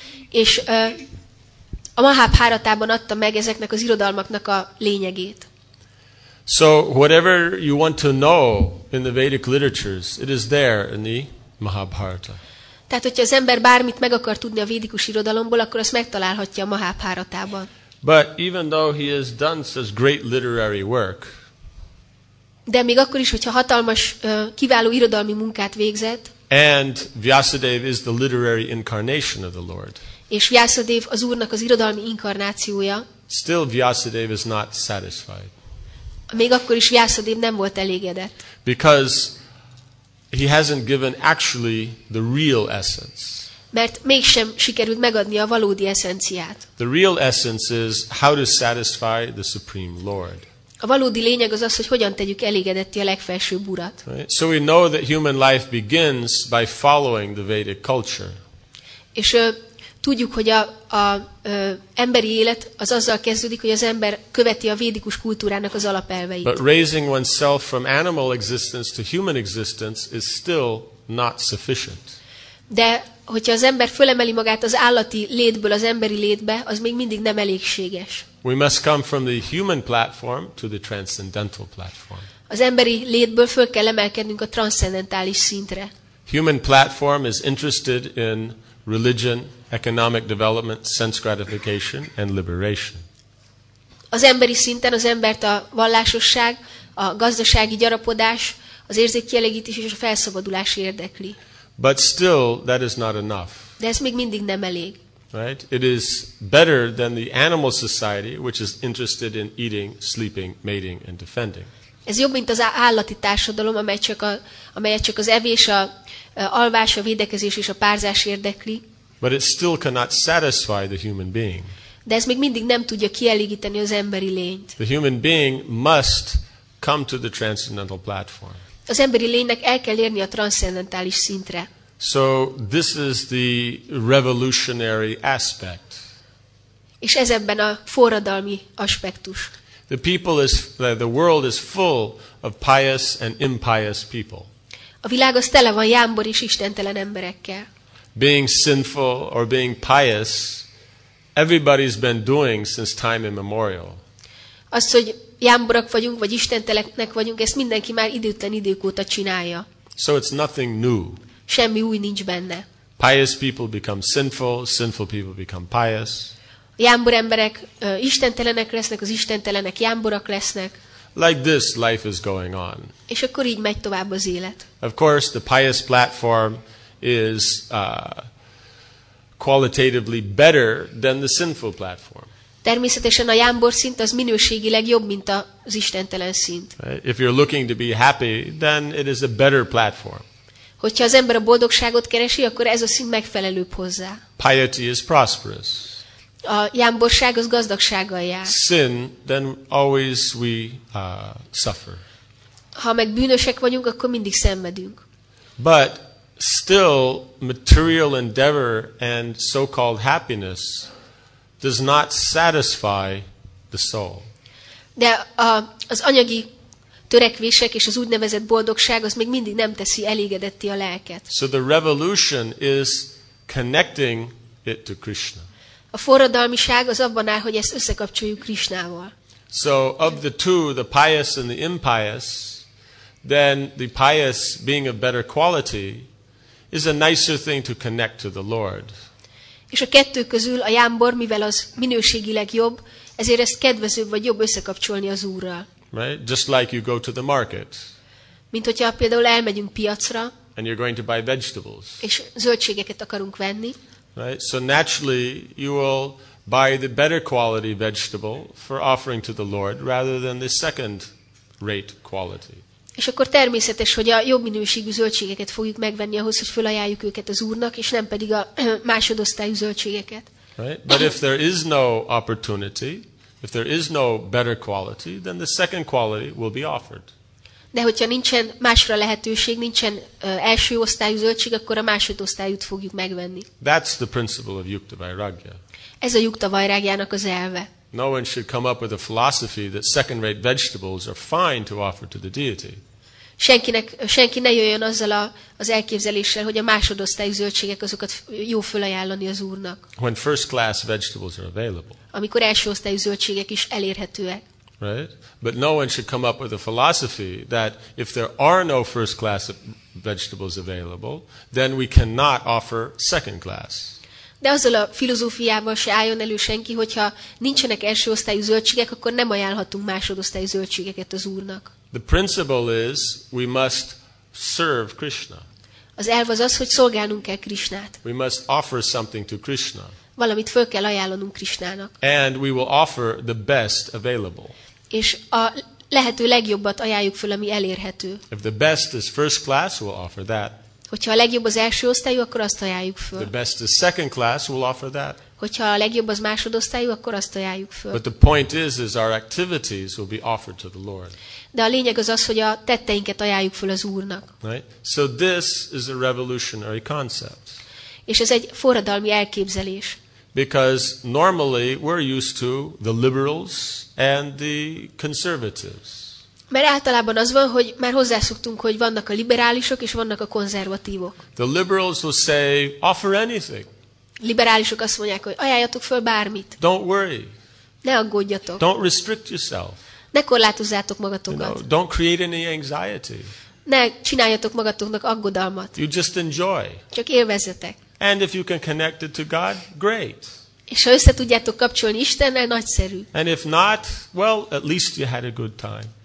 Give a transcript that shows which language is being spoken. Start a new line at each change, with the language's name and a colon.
Hungarian: És a Mahabharatában adta meg ezeknek az irodalmaknak a lényegét.
English: So whatever you want to know in the Vedic literatures, it is there in the Mahabharata.
Hungarian: Tehát, hogyha az ember bármit meg akar tudni a védikus irodalomból, akkor azt megtalálhatja a Mahabharatában.
English: But even though he has done such great literary work,
Hungarian: de még akkor is, hogyha hatalmas, kiváló irodalmi munkát végzett,
English: and Vyasadev is the literary incarnation of the Lord,
Hungarian: és Vyasadev az Úrnak az irodalmi inkarnációja,
English: still Vyasadev is not satisfied.
Hungarian: Még akkor is Vyasadev nem volt elégedett.
English: Because he hasn't given actually the real essence.
Hungarian: Mert mégsem sikerült megadni a valódi eszenciát.
English: The real essence is how to satisfy the Supreme Lord.
Hungarian: A valódi lényeg az az, hogy hogyan tegyük elégedetti a legfelsőbb urat.
English: Right? So we know that human life begins by following the Vedic culture.
Hungarian: És tudjuk, hogy a emberi élet az azzal kezdődik, hogy az ember követi a védikus kultúrának az alapelveit.
English: But raising oneself from animal existence to human existence is still not sufficient.
Hungarian: De hogyha az ember fölemeli magát az állati létből az emberi létbe, az még mindig nem elégséges.
English: We must come from the human platform to the transcendental platform.
Hungarian: Az emberi létből föl kell emelkednünk a transzcendentális szintre.
English: Human platform is interested in religion, economic development, sense gratification and liberation.
Hungarian: Az emberi szinten az embert a vallásosság, a gazdasági gyarapodás, az érzékkielégítés és a felszabadulás érdekli.
English: But still that is not enough.
Hungarian: De ez még mindig nem elég.
English: Right? It is better than the animal society which is interested in eating, sleeping, mating and defending.
Hungarian: Ez jobb, mint az állati társadalom, amelyet csak az evés, a alvás, a védekezés és a párzás érdekli.
English: But it still cannot satisfy the human being.
Hungarian: De ez még mindig nem tudja kielégíteni az emberi lényt.
English: The human being must come to the transcendental platform.
Hungarian: Az emberi lénynek el kell érni a transzcendentális szintre.
English: So this is the revolutionary aspect.
Hungarian: És ez ebben a forradalmi aspektus.
English: The world is full of pious and impious people.
Hungarian: A világ az tele van jámbor és istentelen emberekkel.
English: Being sinful or being pious, everybody's been doing since time immemorial.
Hungarian: Azt, hogy jámborak vagyunk vagy istenteleknek vagyunk, ezt mindenki már időtlen idők óta csinálja.
English: So it's nothing new.
Hungarian: Semmi új nincs benne.
English: Pious people become sinful, sinful people become pious.
Hungarian: Jámbor emberek istentelenek lesznek, az istentelenek jámborak lesznek.
English: Like this life is going on.
Hungarian: És akkor így megy tovább az élet.
English: Of course, the pious platform is qualitatively better than the sinful platform.
Hungarian: Természetesen a jámbor szint az minőségileg jobb, mint az istentelen szint.
English: If you're looking to be happy, then it is a better platform.
Hungarian: Hogyha az ember a boldogságot keresi, akkor ez a szint megfelelőbb hozzá.
English: Piety is prosperous.
Hungarian: A jámborság az gazdagsággal jár.
English: Sin, then always we suffer.
Hungarian: Ha meg bűnösek vagyunk, akkor mindig szenvedünk.
English: But still, material endeavor and so-called happiness does not satisfy the soul.
Hungarian: De az anyagi törekvések és az úgynevezett boldogság az még mindig nem teszi elégedetti a lelket.
English: So the revolution is connecting it to Krishna.
Hungarian: A forradalmiság az abban áll, hogy ezt összekapcsoljuk Krishnával.
English: So of the two, the pious and the impious, then the pious being of better quality is a nicer thing to connect to the Lord.
Hungarian: És a kettő közül a jámbor, mivel az minőségileg jobb, ezért ezt kedvezőbb vagy jobb összekapcsolni az Úrral.
English: Right? Just like you go to the market.
Hungarian: Mint hogyha például elmegyünk piacra.
English: and you're going to buy vegetables.
Hungarian: És zöldségeket akarunk venni.
English: Right? So naturally you will buy the better quality vegetable for offering to the Lord rather than the second rate quality.
Hungarian: És akkor természetes, hogy a jobb minőségű zöldségeket fogjuk megvenni ahhoz, hogy felajánljuk őket az Úrnak, és nem pedig a másodosztályú zöldségeket.
English: Right? But if there is no opportunity, if there is no better quality, then the second quality will be offered.
Hungarian: De hogyha nincsen másra lehetőség, nincsen első osztályú zöldség, akkor a másodosztályút fogjuk megvenni.
English: That's the principle of Yukta Vairagya.
Hungarian: Ez a Yukta Vairagyának az elve.
English: No one should come up with a philosophy that second-rate vegetables are fine to offer to the deity.
Hungarian: Senki ne jöjjön azzal az elképzeléssel, hogy a másodosztályú zöldségek azokat jó fölajánlani az Úrnak.
English: When first-class vegetables are available.
Hungarian: Amikor első osztályú zöldségek is elérhetőek.
English: Right? But no one should come up with a philosophy that if there are no first-class vegetables available, then we cannot offer second-class.
Hungarian: De azzal a filozófiával se álljon elő senki, hogyha nincsenek első osztályú zöldségek, akkor nem ajánlhatunk másodosztályú zöldségeket az Úrnak.
English: The principle is we must serve Krishna.
Hungarian: Az elv az az, hogy szolgálnunk kell Krishnát.
English: We must offer something to Krishna.
Hungarian: Valamit föl kell ajánlanunk Krishnának.
English: And we will offer the best available.
Hungarian: És a lehető legjobbat ajánljuk föl, ami elérhető.
English: If the best is first class, we'll offer that.
Hungarian: Hogyha a legjobb az első osztályú, akkor azt ajánljuk föl.
English: The best is second class, we'll offer that.
Hungarian: Hogyha a legjobb az másodosztályú, akkor azt ajánljuk föl.
English: But the point is our activities will be offered to the Lord.
Hungarian: De a lényeg az az, hogy a tetteinket ajánljuk föl az Úrnak.
English: Right? So this is a revolutionary concept.
Hungarian: És ez egy forradalmi elképzelés.
English: Because normally we're used to the liberals and the conservatives.
Hungarian: Mert általában az van, hogy már hozzászoktunk, hogy vannak a liberálisok és vannak a konzervatívok.
English: The liberals will say, offer anything.
Hungarian: Liberálisok azt mondják, hogy ajánljatok föl bármit.
English: Don't worry.
Hungarian: Ne aggódjatok.
English: Don't restrict yourself.
Hungarian: Ne korlátozzátok magatokat.
English: You know, don't create any anxiety.
Hungarian: Ne csináljatok magatoknak aggodalmat.
English: You just enjoy.
Hungarian: Csak élvezzetek.
English: And if you can connect it to God, great.
Hungarian: És ha össze tudjátok kapcsolni Istennel, nagyszerű.
English: And if not, well, at least you had a good time.